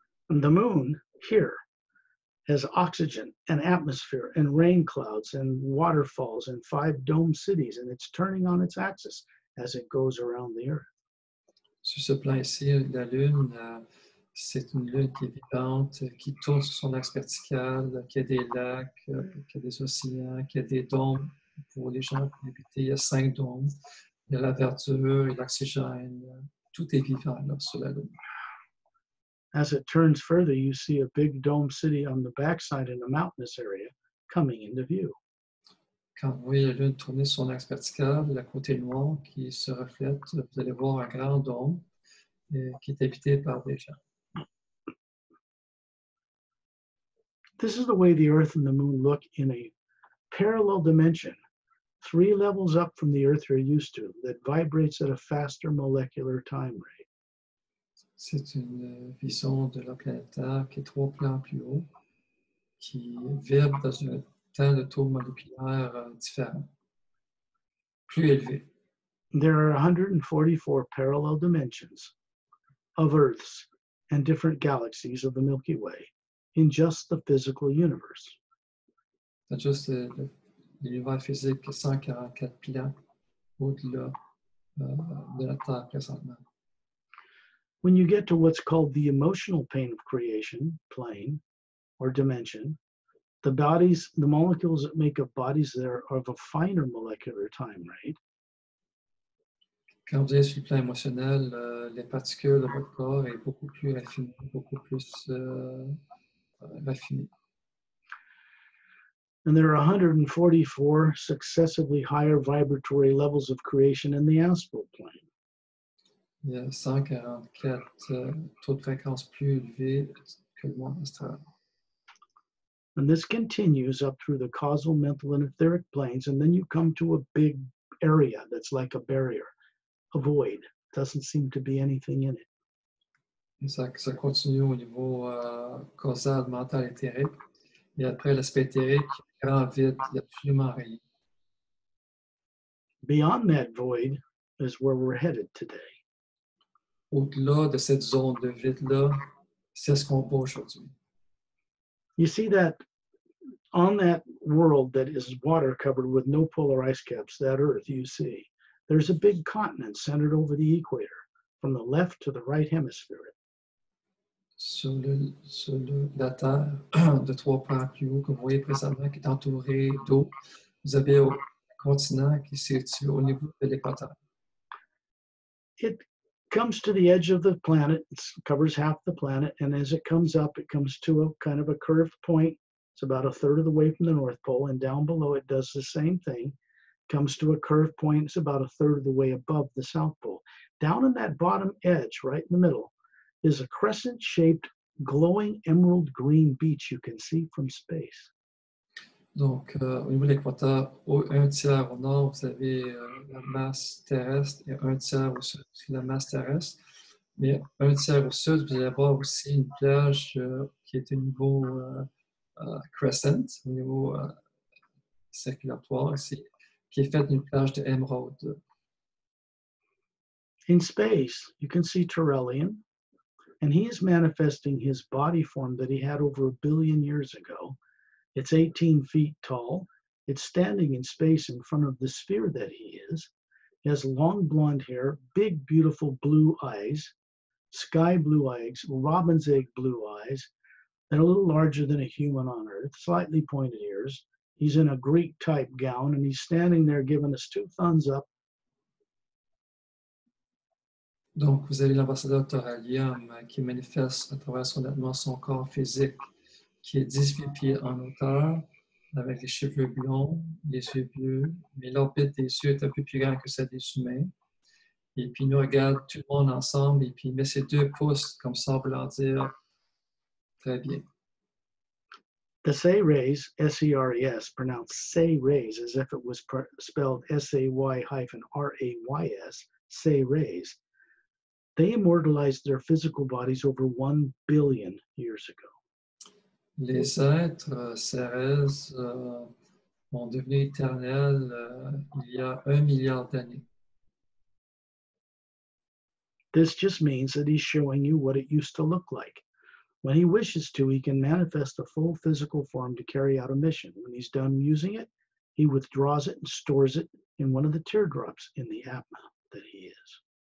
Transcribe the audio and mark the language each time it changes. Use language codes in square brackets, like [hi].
[en] And the Moon, here, has oxygen and atmosphere and rain clouds and waterfalls and five domed cities, and it's turning on its axis as it goes around the Earth. [fr] Sur ce plan ici, la Lune, c'est une Lune qui est vivante, qui tourne sur son axe vertical, qui a des lacs, qui a des océans, qui a des dômes pour les gens qui habitent. Il y a cinq dômes. Il y a la verdure et l'oxygène. Tout est vivant là, sur la Lune. [en] As it turns further, you see a big dome city on the backside in a mountainous area coming into view. [fr] Quand vous voyez la Lune tourner son axe vertical, la côté noire qui se reflète, vous allez voir un grand dôme qui est habité par des gens. [en] This is the way the Earth and the Moon look in a parallel dimension, three levels up from the Earth you're used to, that vibrates at a faster molecular time rate. [fr] C'est une vision de la planète Terre qui est trois plans plus haut, qui vibre dans un temps de taux moléculaire différent, plus élevé. [en] There are 144 parallel dimensions of Earths and different galaxies of the Milky Way in just the physical universe. [fr] Dans juste l'univers physique, 144 plans au-delà de la Terre présentement. [en] When you get to what's called the emotional plane of creation, plane, or dimension, the bodies, the molecules that make up bodies there are of a finer molecular time rate. [fr] Quand vous êtes sur le plan émotionnel, les particules de votre corps est beaucoup plus raffinées, beaucoup plus raffinées. [en] And there are 144 successively higher vibratory levels of creation in the astral plane. [fr] Il y a 144 taux de fréquence plus élevés que le monde astral. [en] And this continues up through the causal, mental, and etheric planes, and then you come to a big area that's like a barrier, a void. Doesn't seem to be anything in it. [fr] Ça continue au niveau causal, mental, etheric. Et après l'aspect etheric, grand vide, il n'y a absolument rien. [en] Beyond that void is where we're headed today. [fr] Au-delà de cette zone de vide-là, c'est ce qu'on voit aujourd'hui. [en] You see that on that world that is water covered with no polar ice caps, that Earth, you see, there's a big continent centered over the equator, from the left to the right hemisphere. [fr] Sur la Terre, de trois points plus haut que vous voyez présentement, qui est entouré d'eau, vous avez un continent qui se situe au niveau de l'équateur. [en] It comes to the edge of the planet, covers half the planet, and as it comes up, it comes to a kind of a curved point. It's about a third of the way from the North Pole, and down below it does the same thing. Comes to a curved point, it's about a third of the way above the South Pole. Down in that bottom edge, right in the middle, is a crescent-shaped, glowing emerald green beach you can see from space. [fr] Donc, au niveau de l'équateur, un tiers au nord, vous avez la masse terrestre et un tiers au sud, c'est la masse terrestre. Mais un tiers au sud, vous allez avoir aussi une plage qui est au niveau crescent, au niveau circulatoire ici, qui est faite d'une plage d'émeraude. [en] In space, you can see Torellian, and he is manifesting his body form that he had over a billion years ago. It's 18 feet tall. It's standing in space in front of the sphere that he is. He has long blonde hair, big, beautiful blue eyes, sky blue eyes, robin's egg blue eyes, and a little larger than a human on Earth, slightly pointed ears. He's in a Greek-type gown, and he's standing there giving us two thumbs up. [fr] Donc, vous avez l'ambassadeur Torellium qui manifeste à travers son vêtement son corps physique qui est 18 pieds en hauteur, avec les cheveux blonds, les yeux bleus, mais l'orbite des yeux est un peu plus grand que celle des humains. Et puis, il nous regarde tout le monde ensemble et puis il met ses deux pouces comme ça pour leur dire très bien. [en] The Say Rays, S-E-R-E-S, pronounced Say Rays as if it was spelled S-A-Y hyphen R-A-Y-S, Say Rays. They immortalized their physical bodies over 1 billion years ago. [fr] Les êtres cérés ont devenu éternels il y a 1 milliard d'années. [en] This just means that he's showing you what it used to look like. When he wishes to, he can manifest a full physical form to carry out a mission. When he's done using it, he withdraws it and stores it in one of the teardrops in the Atma that he is.